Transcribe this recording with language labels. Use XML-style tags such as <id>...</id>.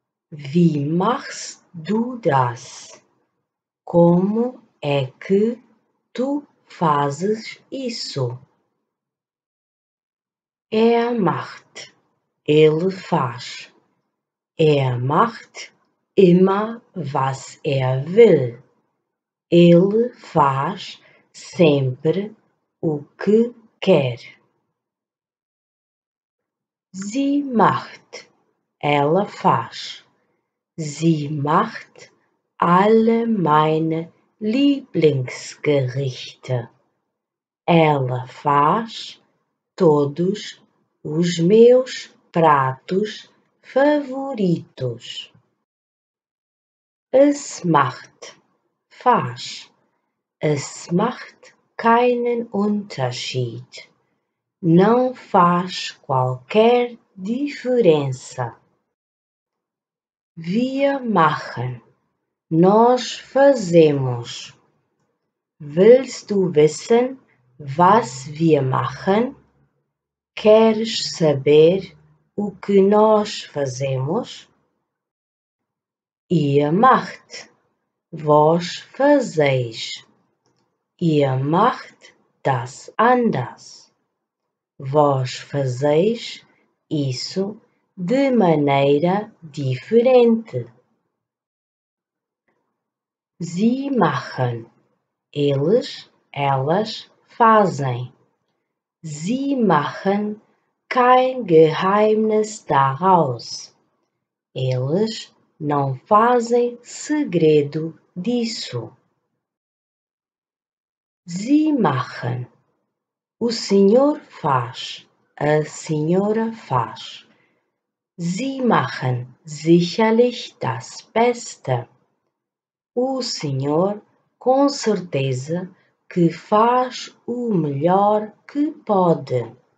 <de>Wie machst du das?</de> <pt>Como é que tu fazes isso?</pt> <de>Er macht,</de> <pt>ele faz.</pt> <de>Er macht immer was er will.</de> <pt>Ele faz sempre o que quer.</pt> <de>Sie macht,</de> <pt>ela faz.</pt> <de>Sie macht alle meine Lieblingsgerichte.</de> <pt>Ela faz todos os meus pratos favoritos.</pt> <de>Es macht,</de> <pt>faz.</pt> <de>Es macht keinen Unterschied.</de> <pt>Não faz qualquer diferença.</pt> <de>Wir machen.</de> <pt>Nós fazemos.</pt> <de>Willst du wissen, was wir machen? Queres saber o que nós fazemos? Ihr macht.</de> <pt>Vós fazeis.</pt> <de>Ihr macht das anders.</de> <pt>Vós fazeis isso de maneira diferente.</pt> <de>Sie machen.</de> <pt>Eles, elas fazem.</pt> <de>Sie machen kein Geheimnis daraus.</de> <pt>Eles não fazem segredo disso.</pt> <de>Sie machen.</de> <pt>O senhor faz. A senhora faz.</pt> <de>Sie machen sicherlich das Beste.</de> <pt>O senhor, com certeza, que faz o melhor que pode.</pt>